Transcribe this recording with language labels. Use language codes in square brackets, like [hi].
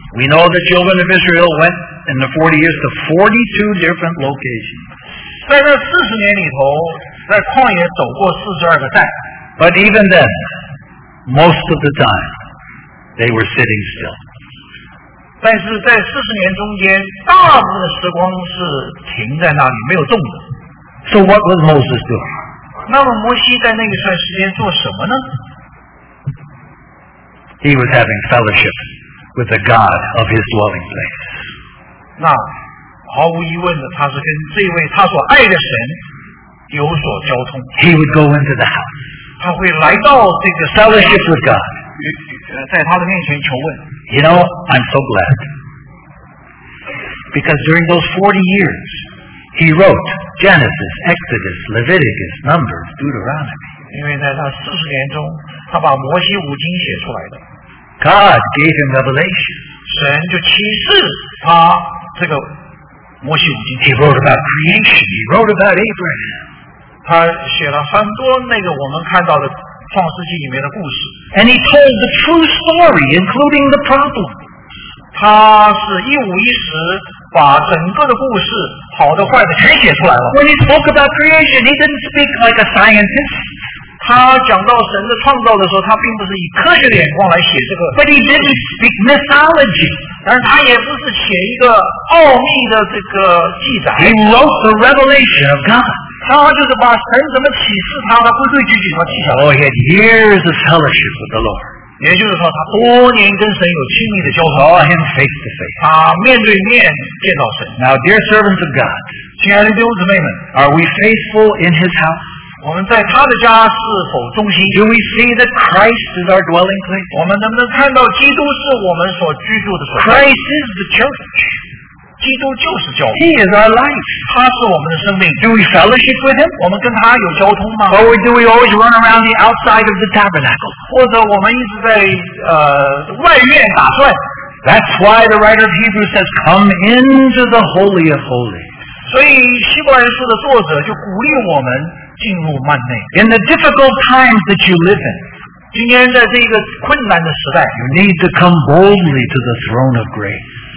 [en] We know the children of Israel went in the 40 years to 42 different locations. [zh] 在那四十年里头，在旷野走过四十二个站。 [en] But even then, most of the time, they were sitting still. [zh] 但是在四十年中间，大部分的时光是停在那里，没有动的。 [en] So what was Moses doing? [zh] 那么摩西在那一段时间做什么呢？ [en] He was having fellowship with the God of his dwelling place. [zh] 那毫无疑问的，他是跟这位他所爱的神有所交通。 [en] He would go into the house. [zh] 他会来到这个 [en] fellowship with God. [zh] 在他的面前求问。 [en] You know, I'm so glad. Because during those 40 years, he wrote Genesis, Exodus, Leviticus, Numbers, Deuteronomy. [zh] 因为在他四十年中，他把摩西五经写出来的。 [en] God gave him revelation. [zh] 神就启示他这个摩西五经。 [en] He wrote about creation. He wrote about Abraham. [zh] 他写了很多那个我们看到的创世纪里面的故事。 [en] And he told the true story, including the problem. [zh] 他是一五一十把整个的故事，好的坏的全写出来了。 [en] When he spoke about creation, he didn't speak like a scientist. [zh] 他讲到神的创造的时候，他并不是以科学的眼光来写这个。 [en] But he didn't speak mythology. [zh] 但是他也不是写一个奥秘的这个记载。 [en] He wrote the revelation of God. [zh] 他就是把神怎么启示他的规规矩矩怎么记载。 [en] Oh, he had years of fellowship with the Lord. [zh] 也就是说，他多年跟神有亲密的交通。 [en] Saw him face to face. [zh] 他面对面见到神。 [en] Now, dear servants of God, [zh] 亲爱的弟兄姊妹们 [en] ，Are we faithful in His house? [zh] 我们在他的家是否忠心 [en] ？Do we see that Christ is our dwelling place？ [zh] 我们能不能看到基督是我们所居住的所在 [en] ？Christ is the church， [zh] 基督就是教会。 [en] He is our life， [zh] 他是我们的生命。 [en] Do we fellowship with him？ [zh] 我们跟他有交通吗 [en] ？Or do we always run around the outside of the tabernacle？ [zh] 或者我们一直在外院打转 [en] ？That's why the writer of Hebrews says， "Come into the holy of holies." [zh] 所以希伯来书的作者就鼓励我们。进入幔内。 [en] In the difficult times that you live in, [zh] 今天在这个困难的时代 [en] you need to come boldly to the throne of grace.